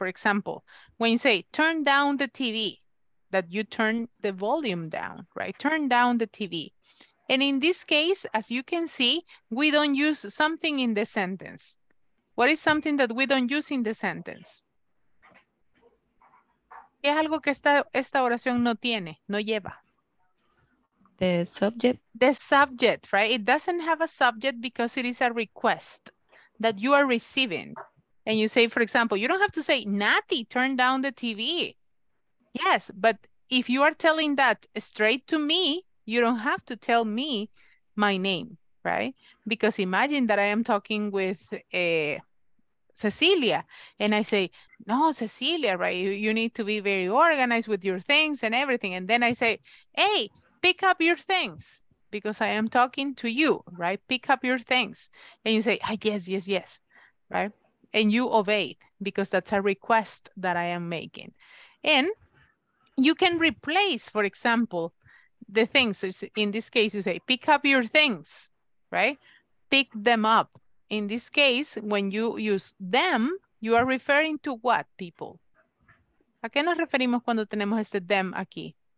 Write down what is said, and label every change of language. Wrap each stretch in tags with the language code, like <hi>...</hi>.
<en>For example, when you say, turn down the TV, that you turn the volume down, right? Turn down the TV. And in this case, as you can see, we don't use something in the sentence. What is something that we don't use in the sentence?</en> <es>¿Qué es algo que esta oración no tiene, no lleva?</es> <en>The subject. The subject, right? It doesn't have a subject because it is a request that you are receiving. And you say, for example, you don't have to say, Nati, turn down the TV. Yes, but if you are telling that straight to me, you don't have to tell me my name, right? Because imagine that I am talking with Cecilia, and I say, no, Cecilia, right? You need to be very organized with your things and everything. And then I say, hey, pick up your things, because I am talking to you, right? Pick up your things. And you say, ah, yes, yes, yes, right? And you obey, because that's a request that I am making. And you can replace, for example, the things. In this case, you say, pick up your things, right? Pick them up. In this case, when you use them, you are referring to what, people?</en> <es>¿A qué nos referimos cuando tenemos este them aquí?</es>